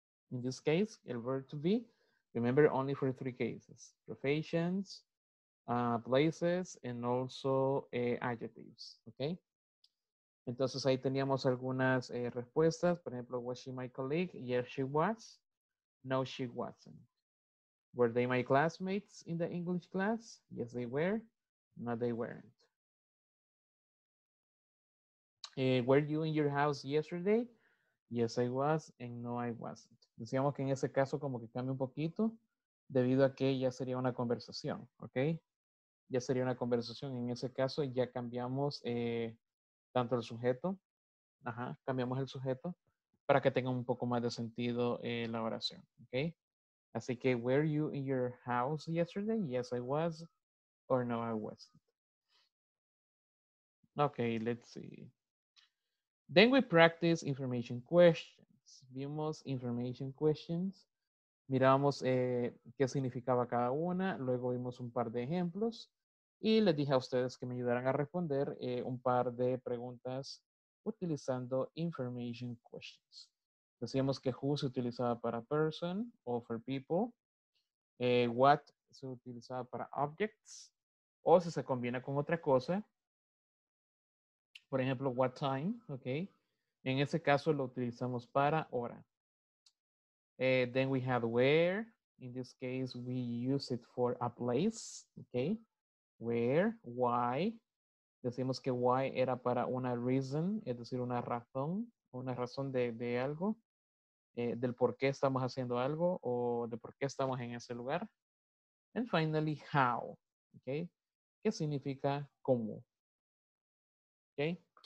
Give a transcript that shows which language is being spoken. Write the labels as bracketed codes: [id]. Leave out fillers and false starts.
[en] In this case, el verb to be, remember only for three cases, professions, places, and also adjectives, okay? [es] Entonces ahí teníamos algunas respuestas, por ejemplo, [en] was she my colleague? Yes, she was. No, she wasn't. Were they my classmates in the English class? Yes, they were. No, they weren't. Were you in your house yesterday? Yes, I was. And no, I wasn't. [es] Decíamos que en ese caso como que cambia un poquito debido a que ya sería una conversación, ¿ok? Ya sería una conversación. En ese caso ya cambiamos tanto el sujeto. Ajá, cambiamos el sujeto para que tenga un poco más de sentido la oración, ¿ok? Así que, [en] were you in your house yesterday? Yes, I was. Or no, I wasn't. Okay, let's see. Then we practice information questions. [es] Vimos information questions. Miramos qué significaba cada una. Luego vimos un par de ejemplos. Y les dije a ustedes que me ayudaran a responder un par de preguntas utilizando information questions. Decíamos que who se utilizaba para person o [en] for people. [es] What se utilizaba para objects. O si se combina con otra cosa. Por ejemplo, what time, ok. En ese caso lo utilizamos para hora. [en] Then we have where. In this case, we use it for a place, ok. Where, why. [es] Decimos que why era para una reason, es decir, una razón de algo. Del por qué estamos haciendo algo o de por qué estamos en ese lugar. [en] And finally, how. Okay? [es] ¿Qué significa cómo? [en] Okay?